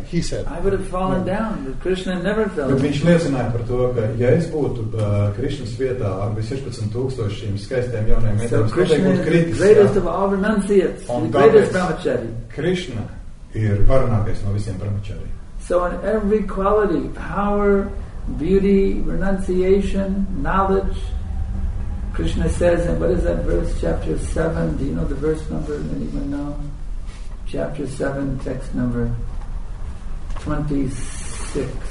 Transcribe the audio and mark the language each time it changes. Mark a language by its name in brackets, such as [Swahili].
[English] he said, I would have fallen down. But Krishna never fell down. [Latvian] Viņš liecināja par to, ka ja es būtu Krishna's vietā ar 16,000 šīm skaistiem jaunajiem meitām, [English] so Krishna [Latvian] būtu kritis, [English] is the greatest of all renunciates, the greatest brahmacharī. [Latvian] Krishna ir varenākais no visiem brahmacharī. [English] So in every quality, power, beauty, renunciation, knowledge, Krishna says, and what is that verse, chapter 7? Do you know the verse number? Anyone know? Chapter 7, text number 26.